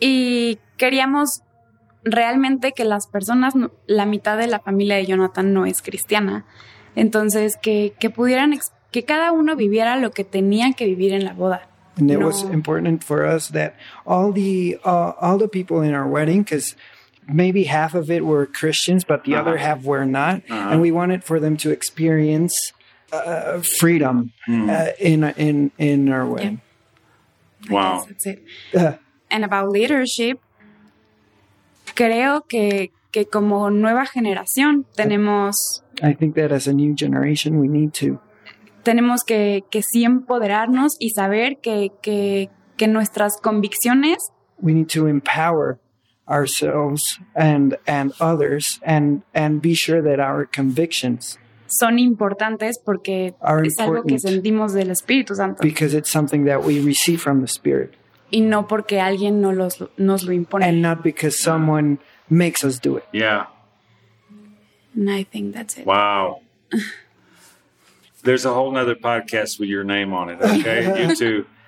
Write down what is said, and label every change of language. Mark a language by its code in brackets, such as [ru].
[es] Y queríamos realmente que las personas, la mitad de la familia de Jonathan no es cristiana. Entonces, que cada uno viviera lo que tenía que vivir en la boda. [en] And it was important for us that all the people in our wedding, because maybe half of it were Christians, but the uh-huh. other half were not. Uh-huh. And we wanted for them to experience freedom mm. in our wedding. Yeah. Wow. I guess that's it. and about leadership, [es] creo que como nueva generación tenemos... [en] I think that as a new generation we need to... [es] Tenemos que sí empoderarnos y saber que nuestras convicciones... [en] We need to empower ourselves and others and be sure that our convictions... [es] Son importantes porque es algo que sentimos del Espíritu Santo. [en] Because it's something that we receive from the Spirit. [es] Y no porque alguien no los, nos lo impone. [en] And not because someone makes us do it. Yeah. And I think that's it. Wow. There's a whole nother podcast with your name on it, okay? You too.